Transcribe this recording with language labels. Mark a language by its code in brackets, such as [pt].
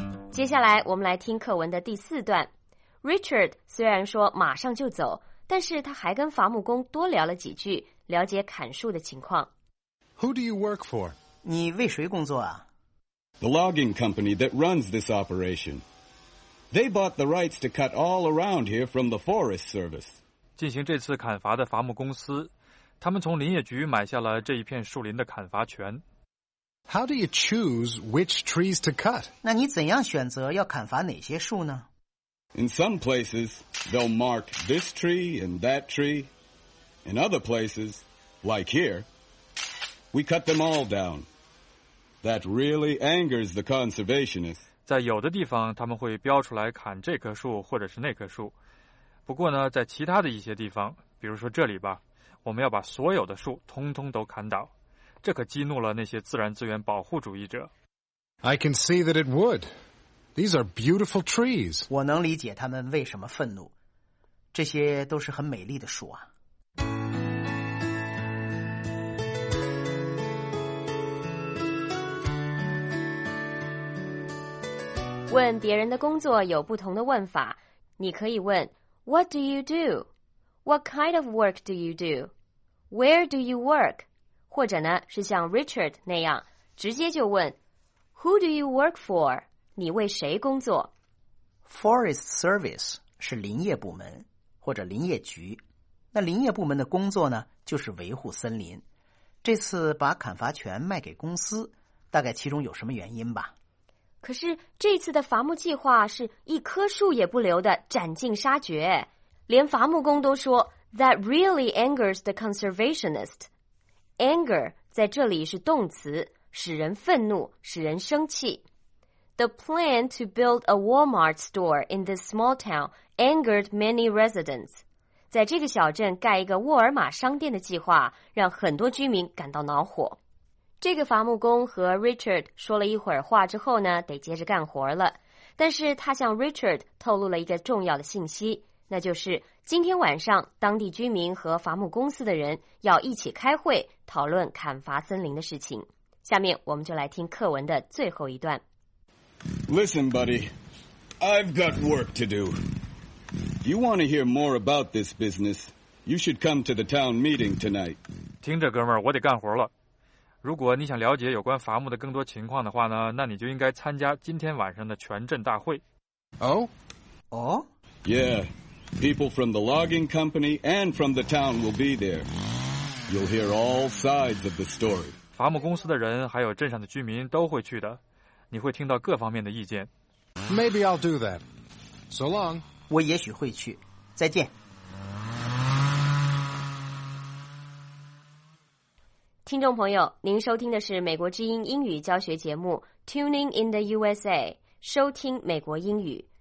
[zh] 接下来我们来听课文的第四段。Richard 虽然说马上就走，但是他还跟伐木工多聊了几句，了解砍树的情况。 [en] Who do you work for? [zh] 你为谁工作啊？ [en] The logging company that runs this operation. They bought the rights to cut all around here from the Forest Service. [zh] 进行这次砍伐的伐木公司，他们从林业局买下了这一片树林的砍伐权。 [en] How do you choose which trees to cut? [zh] 那你怎样选择要砍伐哪些树呢？ [en] In some places, they'll mark this tree and that tree. In other places, like here, we cut them all down. That really angers the conservationists. [zh] 在有的地方，他们会标出来砍这棵树或者是那棵树。不过呢，在其他的一些地方，比如说这里吧，我们要把所有的树通通都砍倒。这可激怒了那些自然资源保护主义者。 [en] I can see that it would. These are beautiful trees. [zh] 我能理解他们为什么愤怒。这些都是很美丽的树啊。问别人的工作有不同的问法。你可以问 [en] What do you do? What kind of work do you do? Where do you work? [zh] 或者呢，是像 Richard 那样，直接就问 [en] Who do you work for? [zh] 你为谁工作？ Forest Service 是林业部门或者林业局。那林业部门的工作呢，就是维护森林。这次把砍伐权卖给公司，大概其中有什么原因吧。可是这次的伐木计划是一棵树也不留的斩尽杀绝，连伐木工都说 [en] That really angers the conservationist. [zh] Anger 在这里是动词，使人愤怒，使人生气。 [en] The plan to build a Walmart store in this small town angered many residents. [zh] 在这个小镇盖一个沃尔玛商店的计划让很多居民感到恼火。这个伐木工和 Richard 说了一会儿话之后呢，得接着干活了。但是他向 Richard 透露了一个重要的信息，那就是今天晚上当地居民和伐木公司的人要一起开会讨论砍伐森林的事情。下面我们就来听课文的最后一段。 [en] Listen, buddy, I've got work to do. If you want to hear more about this business, you should come to the town meeting tonight. [zh] 听着，哥们儿，我得干活了。如果你想了解有关伐木的更多情况的话呢，那你就应该参加今天晚上的全镇大会。 [en] Oh? Oh? Yeah, people from the logging company and from the town will be there. You'll hear all sides of the story. [zh] 伐木公司的人还有镇上的居民都会去的。你会听到各方面的意见。 [en] Maybe I'll do that. So long. [zh] 我也许会去。再见。听众朋友，您收听的是美国之音英语教学节目 Tuning in the USA， 收听美国英语。